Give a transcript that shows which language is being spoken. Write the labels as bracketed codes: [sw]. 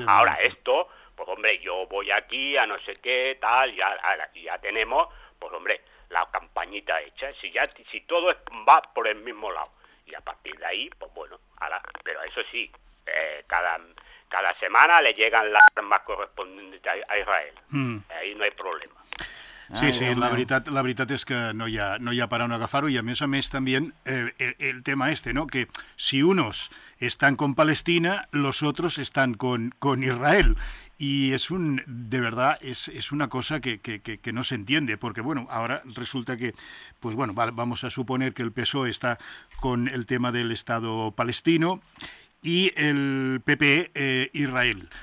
[es] Ahora esto, pues hombre, yo voy aquí a no sé qué, tal, ya, ahora, ya tenemos, pues hombre, la campañita hecha. Si ya, si todo es, va por el mismo lado. Y a partir de ahí, pues bueno, ahora, pero eso sí, cada semana le llegan las armas correspondientes a Israel. Ahí no hay problema. [ca] Sí, sí, la veritat és que no hi ha per on agafar-ho, i a més també el tema este, no? [es] Que [ca] si uns estan [es] con Palestina, los otros estan con Israel. Y es un, de verdad, es una cosa que no se entiende, porque bueno, ahora resulta que, pues bueno, vamos a suponer que el PSOE está con el tema del Estado palestino y el PP Israel.